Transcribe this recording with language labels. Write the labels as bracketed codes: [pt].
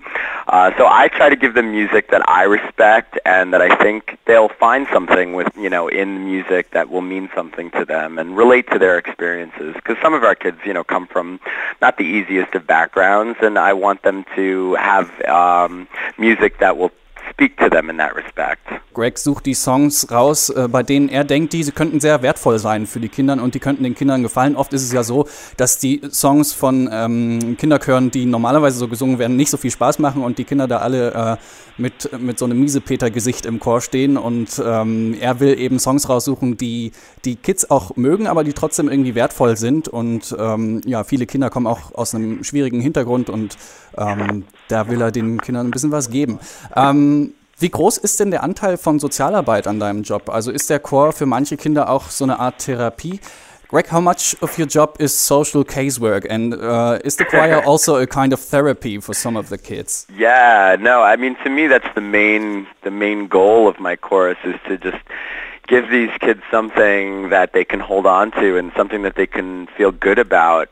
[en] So I try to give them music that I respect and that I think they'll find something with, in the music that will mean something to them and relate to their experiences. Because some of our kids, come from not the easiest of backgrounds, and I want them to have music that will speak to them in that respect. [de] Greg sucht die Songs raus, bei denen er denkt, diese könnten sehr wertvoll sein für die Kinder und die könnten den Kindern gefallen. Oft ist es ja so, dass die Songs von Kinderchören, die normalerweise so gesungen werden, nicht so viel Spaß machen und die Kinder da alle mit so einem Miesepeter-Gesicht im Chor stehen. Und er will eben Songs raussuchen, die die Kids auch mögen, aber die trotzdem irgendwie wertvoll sind. Und viele Kinder kommen auch aus einem schwierigen Hintergrund und da will er den Kindern ein bisschen was geben. Wie groß ist denn der Anteil von Sozialarbeit an deinem Job? Also ist der Chor für manche Kinder auch so eine Art Therapie? [en] Greg, how much of your job is social casework? And is the choir also a kind of therapy for some of the kids? Yeah, no, to me that's the main goal of my chorus is to just give these kids something that they can hold on to and something that they can feel good about.